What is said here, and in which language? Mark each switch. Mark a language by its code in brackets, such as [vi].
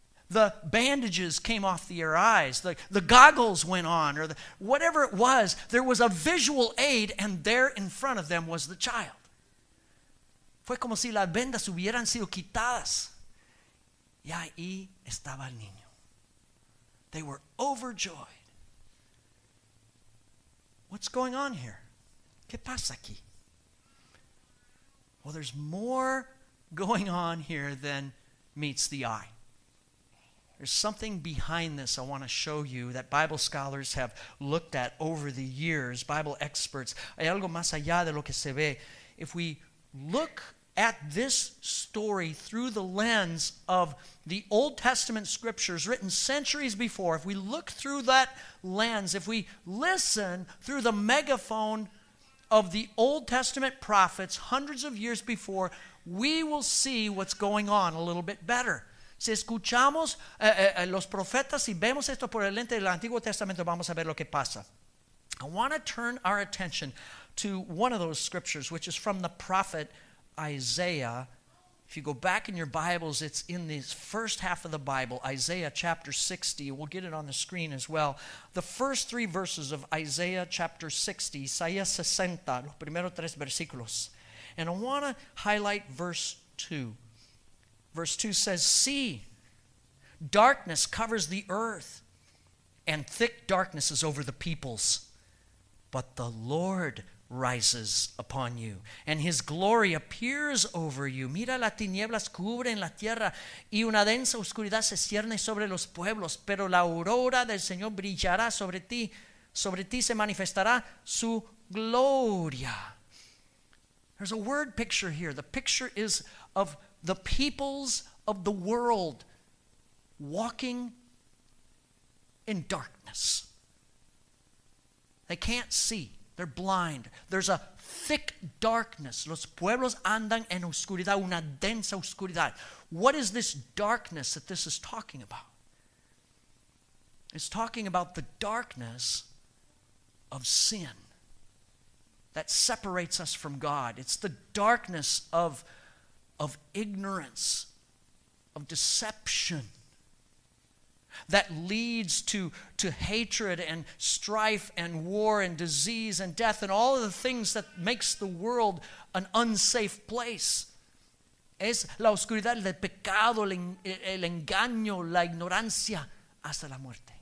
[en] The bandages came off their eyes, the goggles went on, or whatever it was, there was a visual aid, and there in front of them was the child. [es] Fue como si las vendas hubieran sido quitadas. Y ahí estaba el niño. [en] They were overjoyed. What's going on here? [es] ¿Qué pasa aquí? [en] Well, there's more going on here than meets the eye. There's something behind this I want to show you that Bible scholars have looked at over the years, Bible experts. [es] Hay algo más allá de lo que se ve. [en] If we look at this story through the lens of the Old Testament scriptures written centuries before, if we look through that lens, if we listen through the megaphone of the Old Testament prophets hundreds of years before, we will see what's going on a little bit better. [es] Si escuchamos a los profetas y vemos esto por el lente del Antiguo Testamento, vamos a ver lo que pasa. [en] I want to turn our attention to one of those scriptures, which is from the prophet Isaiah. If you go back in your Bibles, it's in the first half of the Bible, Isaiah chapter 60. We'll get it on the screen as well. The first three verses of Isaiah chapter 60, Isaiah 60, [es] los primeros tres versículos. [en] And I want to highlight verse 2. Verse 2 says, see, darkness covers the earth, and thick darkness is over the peoples. But the Lord rises upon you, and his glory appears over you. [es] Mira, las tinieblas cubren la tierra, y una densa oscuridad se cierne sobre los pueblos, pero la aurora del Señor brillará sobre ti se manifestará su gloria. [en] There's a word picture here. The picture is of the peoples of the world walking in darkness. They can't see. They're blind. There's a thick darkness. [es] Los pueblos andan en oscuridad, una densa oscuridad. [en] What is this darkness that this is talking about? It's talking about the darkness of sin that separates us from God. It's the darkness of ignorance, of deception, that leads to hatred and strife and war and disease and death and all of the things that makes the world an unsafe place. [es] Es la oscuridad, el pecado, el engaño, la ignorancia hasta la muerte.